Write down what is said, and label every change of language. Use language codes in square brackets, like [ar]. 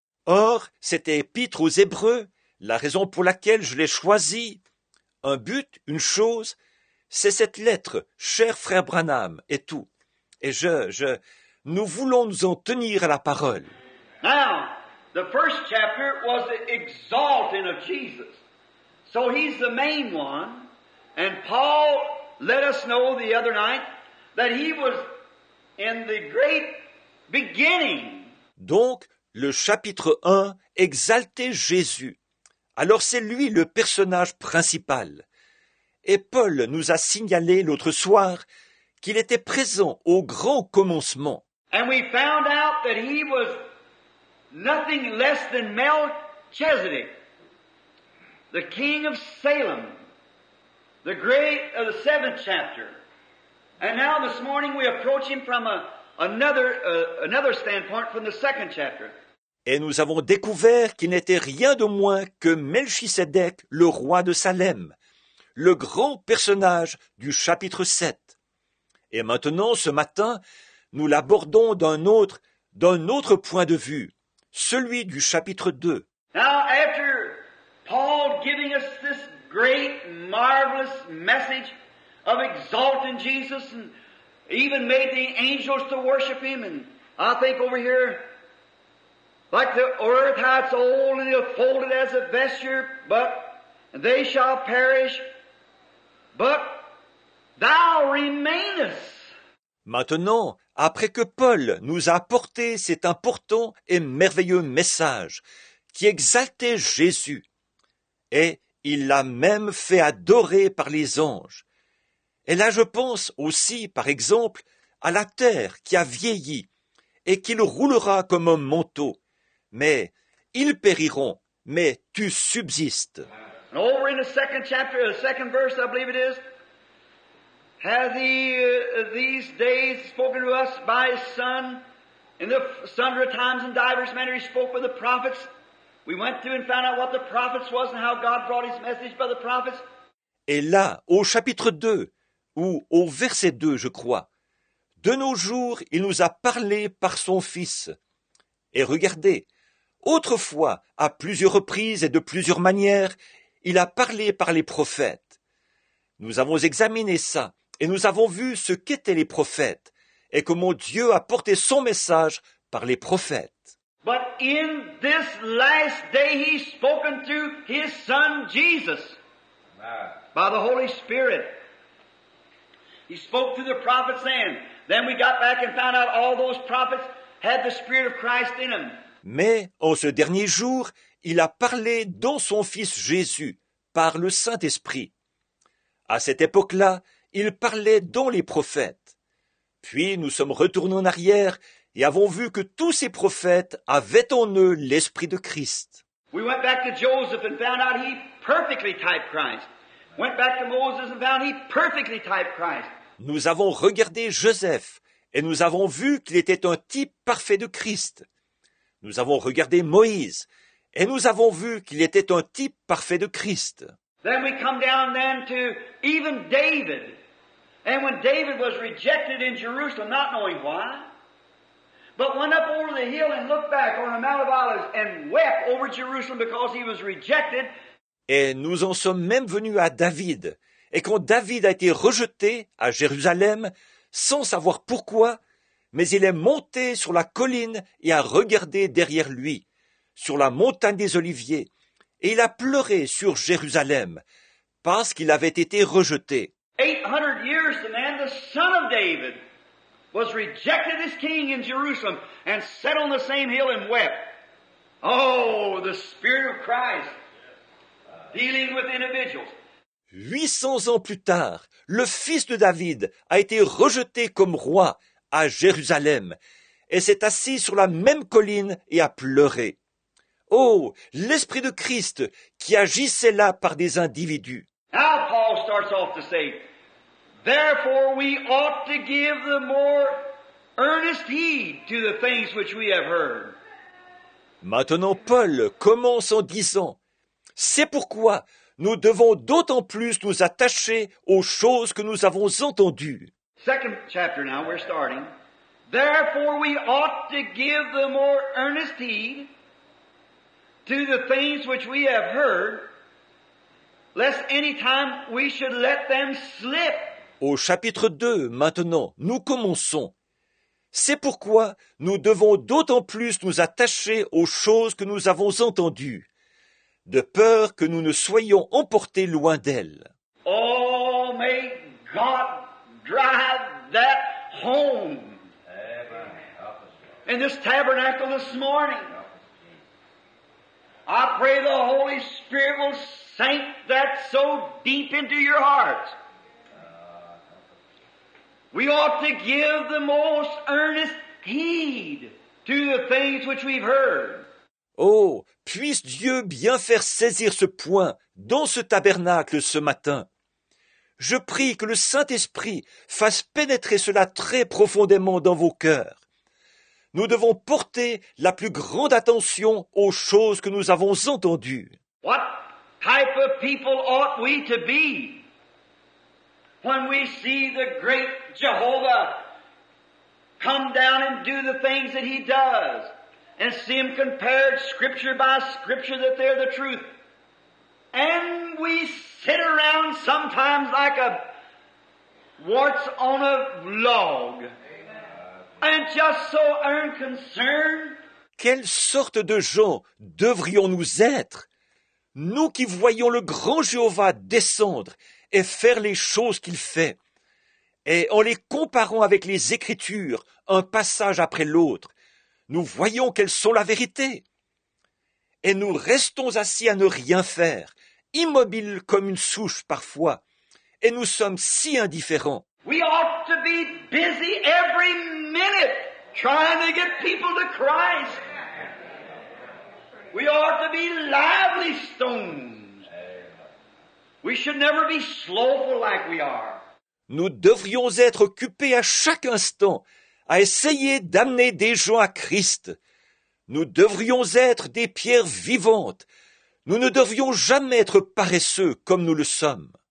[fr] Or, cette épître aux Hébreux, la raison pour laquelle je l'ai choisie, un but, une chose, c'est cette lettre, cher frère Branham, et tout. Et nous voulons nous en tenir à la parole. [en] Now, the first chapter was the exalting of Jesus. So he's the main one. And Paul let us know the other night that he was in the great beginning. [fr] Donc, le chapitre 1 exaltait Jésus. Alors c'est lui le personnage principal. Et Paul nous a signalé l'autre soir qu'il était présent au grand commencement. [en] And we found out that he was nothing less than Melchizedek, the king of Salem, the great of the seventh chapter. And now this morning we approach him from another standpoint, from the second chapter. [fr] Et nous avons découvert qu'il n'était rien de moins que Melchisédek, le roi de Salem, le grand personnage du chapitre 7. Et maintenant, ce matin, nous l'abordons d'un autre point de vue, celui du chapitre 2. [en] Now, after Paul giving us this great, marvelous message of exalting Jesus and even made the angels to worship him, and I think over here, like the earth, how it's old and it's folded as a vesture, but they shall perish, but thou remainest. [fr] Maintenant, après que Paul nous a apporté cet important et merveilleux message qui exaltait Jésus, et il l'a même fait adorer par les anges. Et là, je pense aussi, par exemple, à la terre qui a vieilli et qu'il roulera comme un manteau. Mais ils périront, mais tu subsistes. [en] And over in the second chapter, the second verse, I believe it is, hath he these days spoken to us by his Son, in the sundry times and divers manner he spoke with the prophets. We went through and found out what the prophets was and how God brought his message by the prophets. [fr] Et là, au chapitre 2, ou au verset 2, je crois, de nos jours, il nous a parlé par son Fils. Et regardez, autrefois, à plusieurs reprises et de plusieurs manières, il a parlé par les prophètes. Nous avons examiné ça et nous avons vu ce qu'étaient les prophètes et comment Dieu a porté son message par les prophètes. [en] But in this last day he's spoken through his Son Jesus, by the Holy Spirit. He spoke through the prophets then. Then we got back and found out all those prophets had the Spirit of Christ in them. [fr] Mais en ce dernier jour, il a parlé dans son Fils Jésus, par le Saint-Esprit. À cette époque-là, il parlait dans les prophètes. Puis nous sommes retournés en arrière et avons vu que tous ces prophètes avaient en eux l'Esprit de Christ. [en] We went back to Joseph and found out he perfectly typed Christ. Went back to Moses and found he perfectly typed Christ. [fr] Nous avons regardé Joseph et nous avons vu qu'il était un type parfait de Christ. Nous avons regardé Moïse et nous avons vu qu'il était un type parfait de Christ. [en] Then we come down then to even David. And when David was rejected in Jerusalem, not knowing why, but went up over the hill and looked back on the Mount of Olives and wept over Jerusalem because he was rejected. [fr] Et nous en sommes même venus à David. Et quand David a été rejeté à Jérusalem, sans savoir pourquoi, mais il est monté sur la colline et a regardé derrière lui, sur la montagne des Oliviers, et il a pleuré sur Jérusalem, parce qu'il avait été rejeté. [en] 800 years the man, the son of David, was rejected as king in Jerusalem and sat on the same hill and wept. Oh, the Spirit of Christ dealing with individuals. [fr] 800 ans plus tard, le fils de David a été rejeté comme roi à Jérusalem et s'est assis sur la même colline et a pleuré. Oh, l'Esprit de Christ qui agissait là par des individus. [en] Now Paul starts off to say, therefore we ought to give the more earnest heed to the things which we have heard. [fr] Maintenant Paul commence en disant, c'est pourquoi nous devons d'autant plus nous attacher aux choses que nous avons entendues. [en] Second chapter now, we're starting. Therefore we ought to give the more earnest heed to the things which we have heard, lest any time we should let them slip. [fr] Au chapitre 2, maintenant, nous commençons. C'est pourquoi nous devons d'autant plus nous attacher aux choses que nous avons entendues, de peur que nous ne soyons emportés loin d'elles. [en] Oh, may God drive that home. Amen. In this tabernacle this morning, I pray the Holy Spirit will sink that so deep into your heart. We ought to give the most earnest heed to the things which we've heard. [fr] Oh, puisse Dieu bien faire saisir ce point dans ce tabernacle ce matin. Je prie que le Saint-Esprit fasse pénétrer cela très profondément dans vos cœurs. Nous devons porter la plus grande attention aux choses que nous avons entendues. [en] What type of people ought we to be when we see the great Jehovah come down and do the things that he does? And see them compared scripture by scripture that they're the truth. And we sit around sometimes like a warts on a log. And just so unconcerned. [fr] Quelle sorte de gens devrions-nous être? Nous qui voyons le grand Jéhovah descendre et faire les choses qu'il fait. Et en les comparant avec les Écritures, un passage après l'autre. Nous voyons qu'elles sont la vérité. Et nous restons assis à ne rien faire, immobiles comme une souche parfois. Et nous sommes si indifférents. [en] We ought to be busy every minute trying to get people to Christ. We ought to be lively stones. We should never be slowful like we are. [fr] Nous devrions être occupés à chaque instant à essayer d'amener des gens à Christ. Nous devrions être des pierres vivantes. Nous ne devrions jamais être paresseux comme nous le sommes.